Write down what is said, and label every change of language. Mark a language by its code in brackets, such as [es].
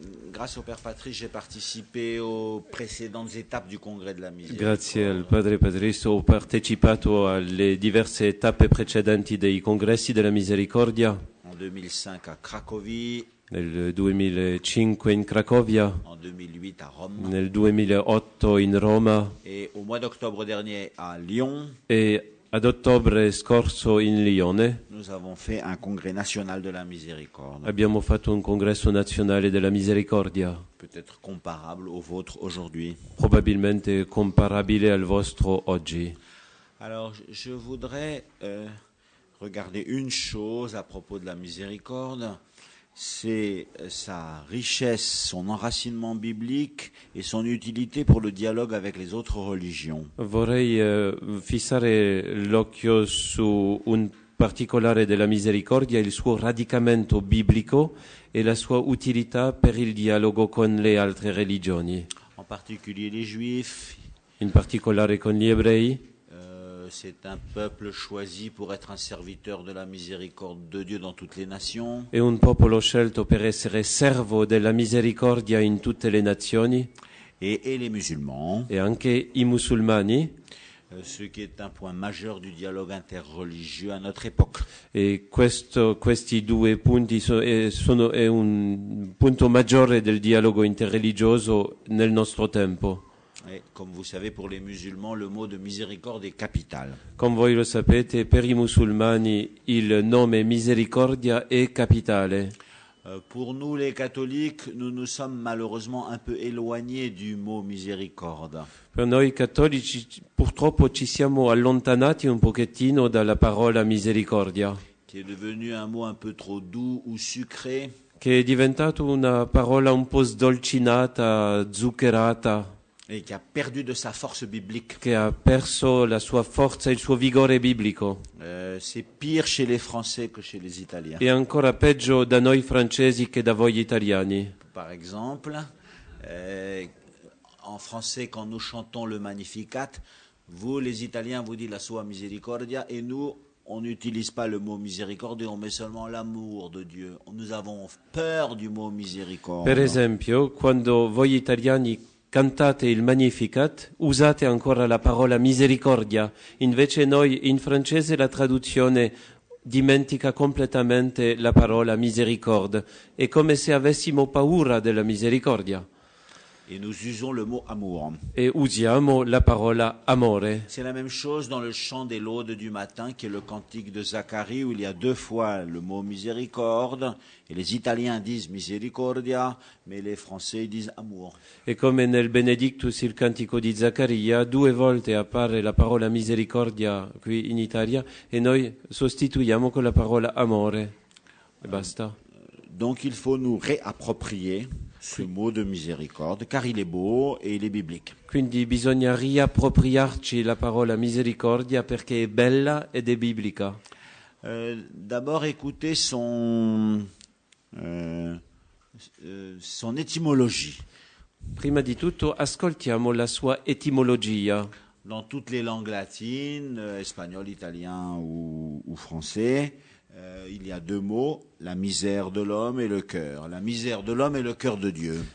[fr] Grâce au Père Patrice, j'ai participé aux précédentes étapes du Congrès de la Misericordia. [it] Grazie al Padre Patrice, ho partecipato alle diverse tappe precedenti dei congressi della misericordia. [fr] En 2005 à Cracovie. [it] Nel 2005 in Cracovia, [fr] en 2008 à Rome, [it] nel 2008 in Roma, [fr] et au mois d'octobre dernier à Lyon, [it] et ad ottobre scorso in Lione, [fr] nous avons fait un congrès national de la miséricorde. [it] Abbiamo fatto un congresso nazionale della misericordia. [fr] Peut-être comparable au vôtre aujourd'hui. [it] Probabilmente comparabile al vostro oggi. [fr] Alors, je voudrais regarder une chose à propos de la miséricorde. C'est sa richesse, son enracinement biblique et son utilité pour le dialogue avec les autres religions. [it] Vorrei fissare l'occhio su un particolare della misericordia, il suo radicamento biblico e la sua utilità per il dialogo con le altre religioni. [fr] En particulier les Juifs. [it] In particolare con gli ebrei. [fr] C'est un peuple choisi pour être un serviteur de la miséricorde de Dieu dans toutes les nations. [it] È un popolo scelto per essere servo della misericordia in tutte le nazioni. [fr] Et les musulmans. [it] E anche i musulmani. [fr] ce qui est un point majeur du dialogue interreligieux à notre époque. [it] E questi due punti sono è un punto maggiore del dialogo interreligioso nel nostro tempo. [fr] Et comme vous savez, pour les musulmans, le mot de miséricorde est capital. [it] Come voi lo sapete, per i musulmani il nome misericordia è capitale. [fr] Pour nous, les catholiques, nous nous sommes malheureusement un peu éloignés du mot miséricorde. [it] Per noi cattolici, purtroppo, ci siamo allontanati un pochettino dalla parola misericordia. [fr] Qui est devenu un mot un peu trop doux ou sucré. [it] Che è diventato una parola un po' sdolcinata, zuccherata. [fr] Et qui a perdu de sa force biblique. [it] Che ha perso la sua forza e il suo vigore biblico. [fr] C'est pire chez les Français que chez les Italiens. [it] E ancora peggio da noi francesi che da voi italiani. [fr] Par exemple, en français, quand nous chantons le Magnificat, vous, les Italiens, vous dites [it] la sua misericordia, [fr] et nous, on n'utilise pas le mot miséricorde, on met seulement l'amour de Dieu. Nous avons peur du mot miséricorde. [it] Per esempio, quando voi italiani cantate il Magnificat, usate ancora la parola misericordia. Invece noi, in francese, la traduzione dimentica completamente la parola misericorde. È come se avessimo paura della misericordia. [fr] Et nous usons le mot amour. [it] E usiamo la parola amore. [fr] C'est la même chose dans le chant des laudes du matin, qui est le cantique de Zacharie, où il y a deux fois le mot miséricorde. Et les Italiens disent misericordia, mais les Français disent amour. [it] E come nel Benedictus, il cantico di Zaccaria, due volte appare la parola misericordia qui in Italia, e noi sostituiamo con la parola amore. E basta. [fr] Donc il faut nous réapproprier ce mot de miséricorde, car il est beau et il est biblique. [it] Quindi bisogna riappropriarci la parola misericordia perché è bella ed è biblica. [fr] D'abord, écoutez son étymologie. [it] Prima di tutto, ascoltiamo la sua etimologia. [fr] Dans toutes les langues latines, espagnol, italien ou français, il y a deux mots, la misère de l'homme et le cœur. La misère de l'homme et le cœur de Dieu.